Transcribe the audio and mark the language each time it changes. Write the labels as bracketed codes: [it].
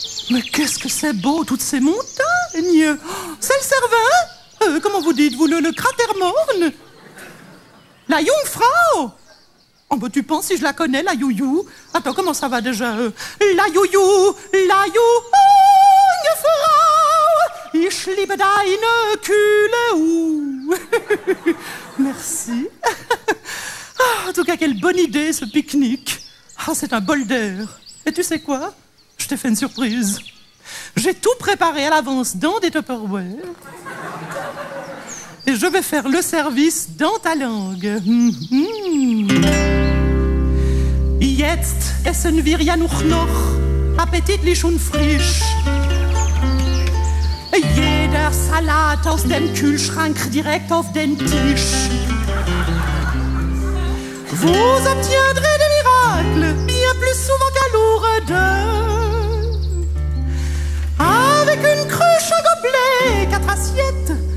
[fr] Mais qu'est-ce que c'est beau, toutes ces montagnes. C'est le Cervin, comment vous dites-vous, le cratère morne. La Jungfrau. Oh ben tu penses si je la connais, la youyou? Attends, comment ça va déjà? La youyou, [de] la Jungfrau, ich liebe deine Kühle. [fr] Merci. Oh, en tout cas, quelle bonne idée ce pique-nique. Oh, c'est un bol d'air. Et tu sais quoi? Je t'ai fait une surprise. J'ai tout préparé à l'avance dans des Tupperware. Et je vais faire le service dans ta langue. [de] Jetzt essen wir ja nur noch appetitlich und frisch. Jeder Salat aus dem Kühlschrank direkt auf den Tisch. [fr] Vous obtiendrez des miracles bien plus souvent qu'à Lourdes. Avec une cruche, un gobelet, quatre assiettes.